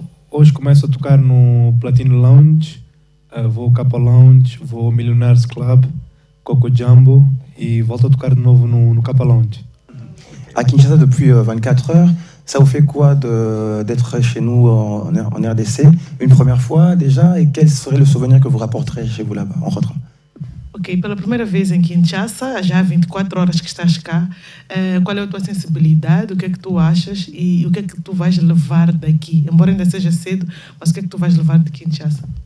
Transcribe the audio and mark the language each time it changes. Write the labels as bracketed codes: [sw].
[pt] Hoje começo a tocar no Platino Lounge. Vou ao Capa Lounge, vou ao Millionaires Club, Coco Jumbo e volto a tocar de novo no Capa Lounge. [fr] A Kinshasa, depuis 24 horas, ça vous fait quoi d'être chez nous en RDC une première fois déjà? E quel serait le souvenir que vous rapporterez chez vous là-bas en rentrant? [pt] Ok, pela primeira vez em Kinshasa, já há 24 horas que estás cá, qual é a tua sensibilidade, o que é que tu achas e o que é que tu vais levar daqui? Embora ainda seja cedo, mas o que é que tu vais levar de Kinshasa?